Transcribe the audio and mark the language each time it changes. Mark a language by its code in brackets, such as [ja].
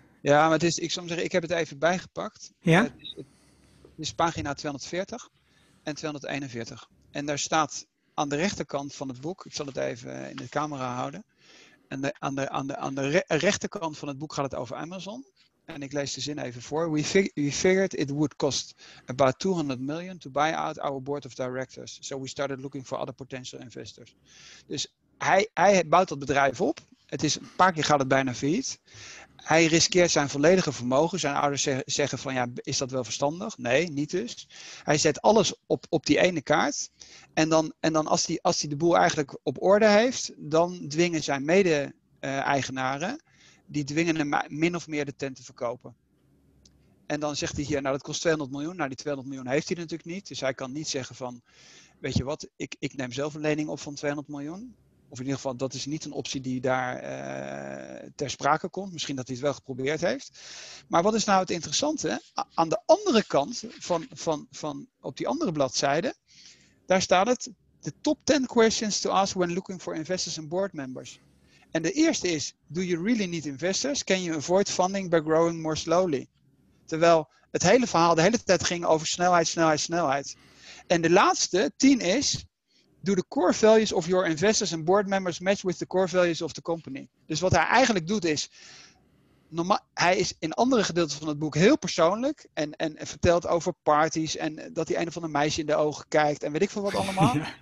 [nl] Ja, maar het is, ik zou zeggen, ik heb het even bijgepakt. Ja? Het is pagina 240 en 241. En daar staat aan de rechterkant van het boek, ik zal het even in de camera houden. En aan de rechterkant van het boek gaat het over Amazon. En ik lees de zin even voor. [en] We figured it would cost about 200 million to buy out our board of directors. So we started looking for other potential investors. [nl] Dus hij bouwt dat bedrijf op. Het is een paar keer gaat het bijna failliet. Hij riskeert zijn volledige vermogen. Zijn ouders zeggen van ja, is dat wel verstandig? Nee, niet dus. Hij zet alles op die ene kaart. En dan als hij de boel eigenlijk op orde heeft, dan dwingen zijn mede-eigenaren. Die dwingen hem min of meer de tent te verkopen. En dan zegt hij hier, nou dat kost 200 miljoen. Nou die 200 miljoen heeft hij natuurlijk niet. Dus hij kan niet zeggen van, weet je wat, ik neem zelf een lening op van 200 miljoen. Of in ieder geval, dat is niet een optie die daar ter sprake komt. Misschien dat hij het wel geprobeerd heeft. Maar wat is nou het interessante? Aan de andere kant, op die andere bladzijde, daar staat het, [en] the top 10 questions to ask when looking for investors and board members. [nl] En de eerste is, [en] do you really need investors? Can you avoid funding by growing more slowly? [nl] Terwijl het hele verhaal de hele tijd ging over snelheid, snelheid, snelheid. En de laatste, 10 is, [en] do the core values of your investors and board members match with the core values of the company? [nl] Dus wat hij eigenlijk doet is, normaal, hij is in andere gedeelten van het boek heel persoonlijk en vertelt over parties en dat hij een of ander meisje in de ogen kijkt en weet ik veel wat allemaal.